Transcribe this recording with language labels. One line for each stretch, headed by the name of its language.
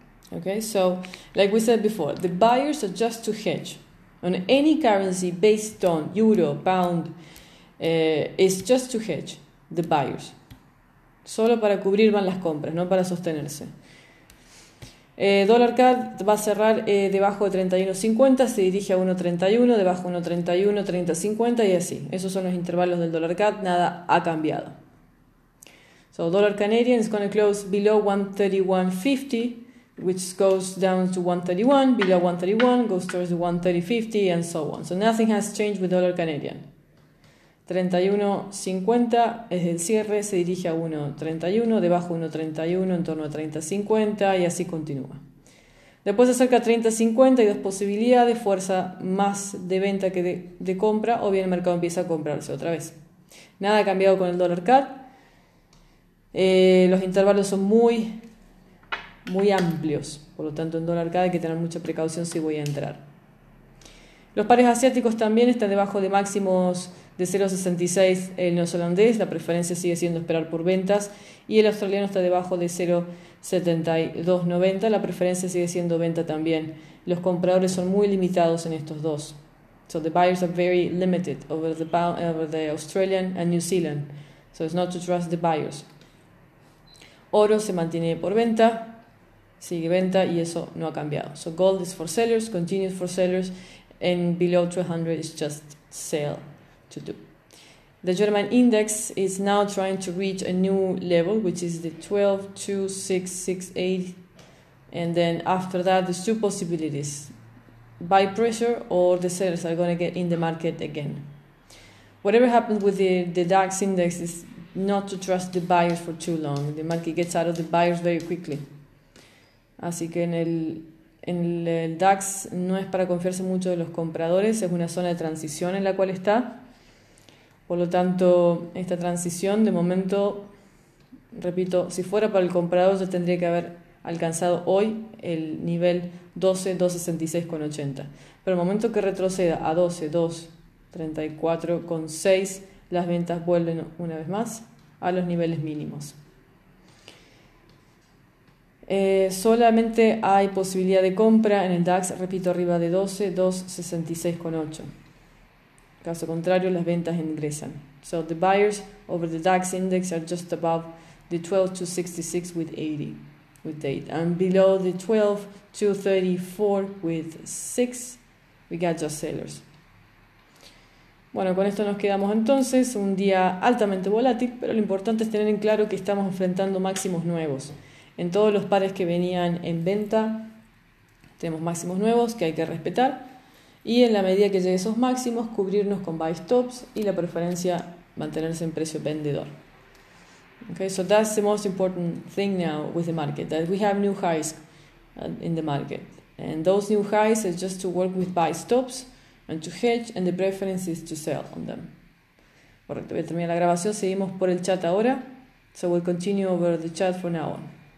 English: Okay, so like we said before, the buyers are just to hedge on any currency based on euro, pound, is just to hedge the buyers.
Spanish: Solo para cubrir van las compras, no para sostenerse. Dólar CAD va a cerrar debajo de 31.50, se dirige a 1.31, debajo de 1.31, 30.50 y así. Esos son los intervalos del dólar CAD, nada ha cambiado.
English: So, dólar Canadian is going to close below 1.3150, which goes down to 1.31, below 1.31, goes towards 1.3050, and so on. So, nothing has changed with dólar Canadian.
Spanish: 31.50 es el cierre, se dirige a 1.31, debajo de 1.31, en torno a 30.50 y así continúa. Después se acerca a 30.50, hay dos posibilidades, fuerza más de venta que de compra, o bien el mercado empieza a comprarse otra vez. Nada ha cambiado con el dólar CAD. Los intervalos son muy, muy amplios, por lo tanto en dólar CAD hay que tener mucha precaución si voy a entrar. Los pares asiáticos también están debajo de máximos de 0.66 el neozelandés, la preferencia sigue siendo esperar por ventas, y el australiano está debajo de 0.7290, la preferencia sigue siendo venta también. Los compradores son muy limitados en estos dos.
English: So the buyers are very limited over the pound, over the Australian and New Zealand. So it's not to trust the buyers.
Spanish: Oro se mantiene por venta. Sigue venta y eso no ha cambiado.
English: So gold is for sellers, continues for sellers, and below 200 is just sell to do. The German index is now trying to reach a new level, which is the 12.2668, and then after that, there's two possibilities: buy pressure or the sellers are going to get in the market again. Whatever happened with the DAX index is not to trust the buyers for too long. The market gets out of the buyers very quickly.
Spanish: Así que en el El DAX no es para confiarse mucho de los compradores, es una zona de transición en la cual está. Por lo tanto, esta transición de momento, repito, si fuera para el comprador ya tendría que haber alcanzado hoy el nivel 12, 266 con 80. Pero el momento que retroceda a 12, 2, 34 con 6, las ventas vuelven una vez más a los niveles mínimos. Solamente hay posibilidad de compra en el DAX, repito, arriba de 12, 266 con 8. Caso contrario, las ventas ingresan.
English: So the buyers over the DAX index are just above the 12,266 with 80, with 8. And below the 12,234 with 6, we got just sellers.
Spanish: Bueno, con esto nos quedamos entonces. Un día altamente volátil, pero lo importante es tener en claro que estamos enfrentando máximos nuevos. En todos los pares que venían en venta, tenemos máximos nuevos que hay que respetar. Y en la medida que llegue a esos máximos, cubrirnos con buy stops y la preferencia mantenerse en precio vendedor.
English: Okay, so that's the most important thing now with the market, that we have new highs in the market. And those new highs is just to work with buy stops and to hedge, and the preference is to sell on them.
Spanish: Correcto, voy a terminar la grabación. Seguimos por el chat ahora.
English: So we'll continue over the chat from now on.